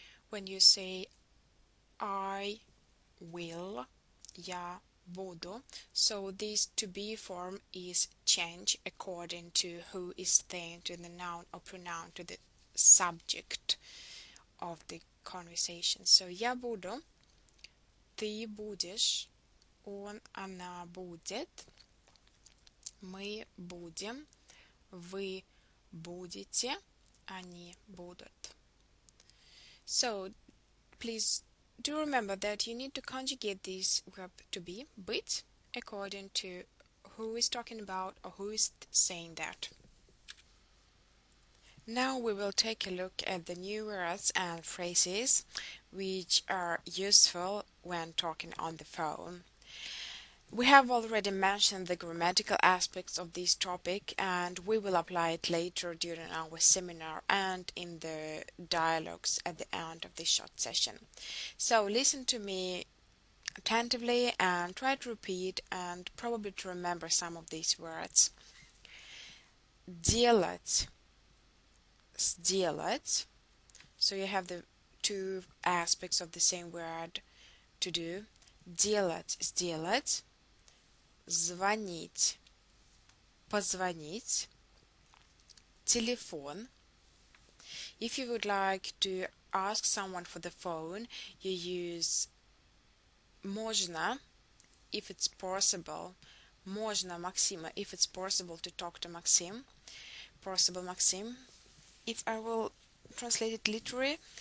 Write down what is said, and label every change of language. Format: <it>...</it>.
<en>When you say I will,</en> <ru>я буду,</ru> <en>so this to be form is change according to who is saying, to the noun or pronoun, to the subject of the conversation.</en> <ru>So я буду, ты будешь, он, она будет, мы будем, вы будете, они будут.</ru> <en>So please do remember that you need to conjugate this verb to be, быть, according to who is talking about or who is saying that. Now we will take a look at the new words and phrases which are useful when talking on the phone. We have already mentioned the grammatical aspects of this topic, and we will apply it later during our seminar and in the dialogues at the end of this short session. So listen to me attentively and try to repeat and probably to remember some of these words.</en> <ru>Делать, сделать.</ru> <en>So you have the two aspects of the same word to do.</en> <ru>Делать, сделать. Звонить, позвонить, телефон.</ru> <en>If you would like to ask someone for the phone, you use можно, if it's possible.</en> <ru>Можно, Максима,</ru> <en>if it's possible to talk to Максим. Possible, Максим. If I will translate it literally,</en>